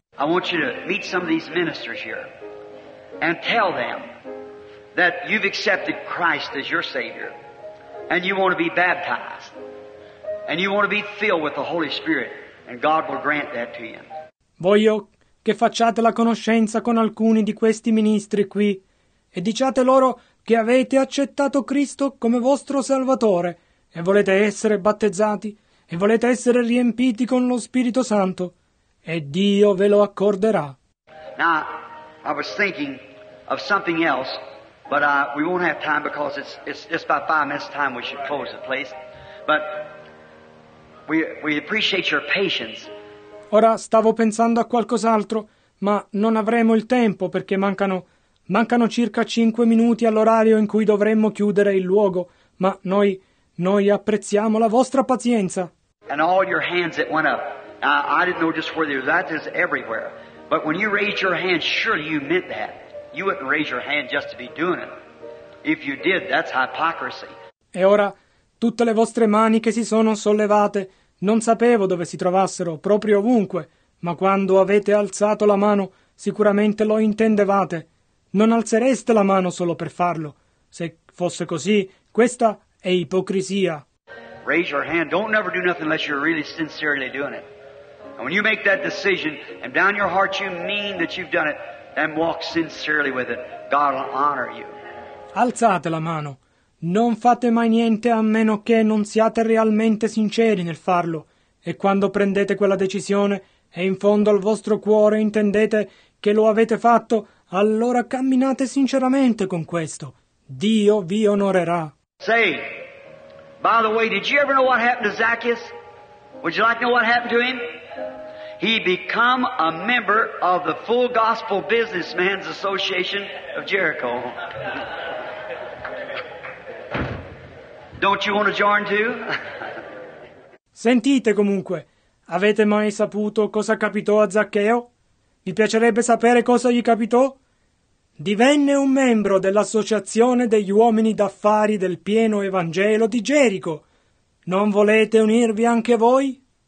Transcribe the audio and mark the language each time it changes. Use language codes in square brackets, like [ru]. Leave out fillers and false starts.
[en] I want you to meet some of these ministers here and tell them that you've accepted Christ as your Savior and you want to be baptized and you want to be filled with the Holy Spirit, and God will grant that to you. [it] Voglio che facciate la conoscenza con alcuni di questi ministri qui e diciate loro che avete accettato Cristo come vostro Salvatore e volete essere battezzati e volete essere riempiti con lo Spirito Santo, e Dio ve lo accorderà. [en] Now, I was thinking of something else, but we won't have time because it's just about 5 minutes time we should close the place. But we appreciate your patience. [it] Ora stavo pensando a qualcos'altro, ma non avremo il tempo perché mancano circa 5 minuti all'orario in cui dovremmo chiudere il luogo, ma noi apprezziamo la vostra pazienza. [en] And all your hands that went up. I didn't know just where they were. That is everywhere. But when you raised your hand, surely you meant that. You wouldn't raise your hand just to be doing it. If you did, that's hypocrisy. [it] E ora, tutte le vostre mani che si sono sollevate, non sapevo dove si trovassero, proprio ovunque, ma quando avete alzato la mano, sicuramente lo intendevate. Non alzereste la mano solo per farlo. Se fosse così, questa è ipocrisia. [en] Raise your hand. Don't never do nothing unless you're really sincerely doing it. And when you make that decision, and down your heart you mean that you've done it, then walk sincerely with it. God will honor you. [it] Alzate la mano. Non fate mai niente a meno che non siate realmente sinceri nel farlo. E quando prendete quella decisione, e in fondo al vostro cuore intendete che lo avete fatto, allora camminate sinceramente con questo. Dio vi onorerà. [en] Say, by the way, did you ever know what happened to Zacchaeus? Would you like to know what happened to him? He became a member of the Full Gospel Businessmen's Association of Jericho. Don't you want to join too? [it] Sentite comunque, avete mai saputo cosa capitò a Zaccheo? Vi piacerebbe sapere cosa gli capitò? Divenne un membro dell'Associazione degli Uomini d'Affari del Pieno Evangelo di Gerico. Non volete unirvi anche voi?